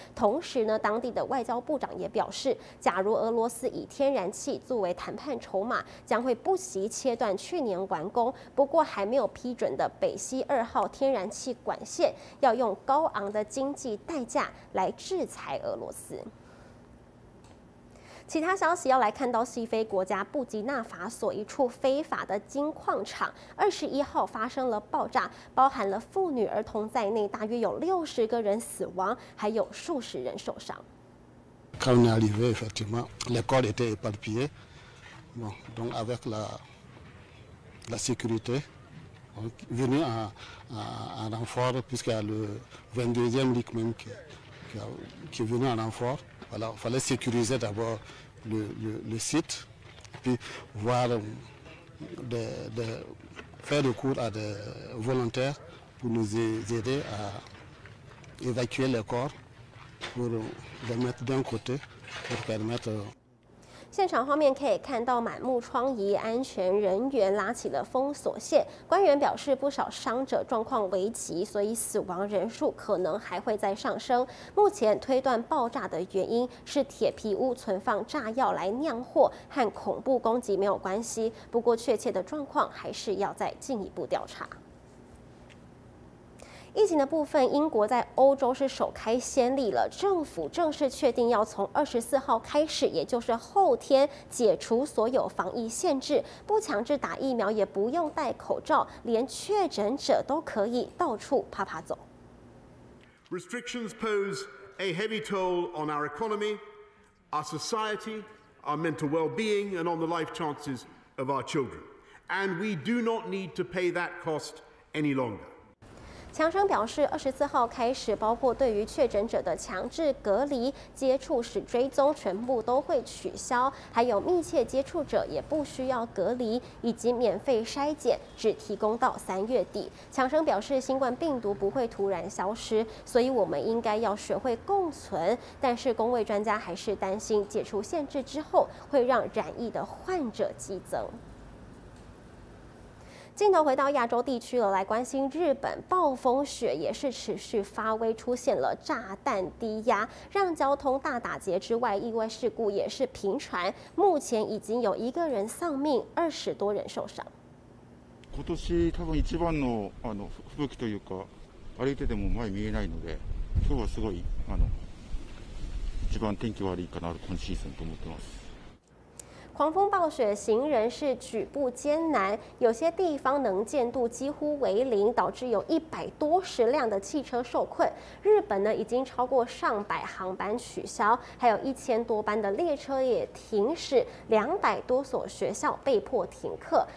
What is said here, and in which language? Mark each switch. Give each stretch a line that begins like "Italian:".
Chinese: 同时呢，当地的外交部长也表示，假如俄罗斯以天然气作为谈判筹码，将会不惜切断去年完工，不过还没有批准的北溪二号天然气管线，要用高昂的经济代价来制裁俄罗斯。其他消息要来看到西非国家布基纳法索一处非法的金矿场21号发生了爆炸，包含了妇女儿童在内，大约有60个人死亡，还有数十人受伤。
French: Quand on est arrivé, effectivement, le corps était éparpillé. Bon, donc avec la sécurité, venu à renfort puisqu'il y a le 22e Ligue même qui est venu à renfort. Voilà, il fallait sécuriser d'abord le site, puis voir de faire le cours à des volontaires pour nous aider à évacuer les corps, pour les mettre d'un côté, pour permettre...
Chinese: 现场画面可以看到满目疮痍，安全人员拉起了封锁线。官员表示，不少伤者状况危急，所以死亡人数可能还会再上升。目前推断爆炸的原因是铁皮屋存放炸药来酿祸，和恐怖攻击没有关系。不过确切的状况还是要再进一步调查。疫情的部分，英国在欧洲是首开先例了，政府正式确定要从24号开始，也就是后天解除所有防疫限制，不强制打疫苗，也不用戴口罩，连确诊者都可以到处啪啪走。
English: Restrictions pose a heavy toll on our economy, our society, our mental well-being, and on the life chances of our children, and we do not need to pay that cost any longer.
Chinese: 强生表示，24号开始，包括对于确诊者的强制隔离、接触史追踪，全部都会取消；还有密切接触者也不需要隔离，以及免费筛检，只提供到3月底。强生表示，新冠病毒不会突然消失，所以我们应该要学会共存。但是，公卫专家还是担心，解除限制之后会让染疫的患者激增。镜头回到亚洲地区了，来关心日本，暴风雪也是持续发威，出现了炸弹低压，让交通大打劫之外，意外事故也是频传，目前已经有一个人丧命，20多人受伤。
Japanese: 今年多分一番の吹雪というか、歩いてても前見えないので、今日はすごい一番天気悪いかな今シーズンと思ってます。
Chinese: 狂风暴雪，行人是举步艰难，有些地方能见度几乎为零，导致有110多辆的汽车受困。日本呢，已经超过100航班取消，还有1000多班的列车也停驶，200多所学校被迫停课。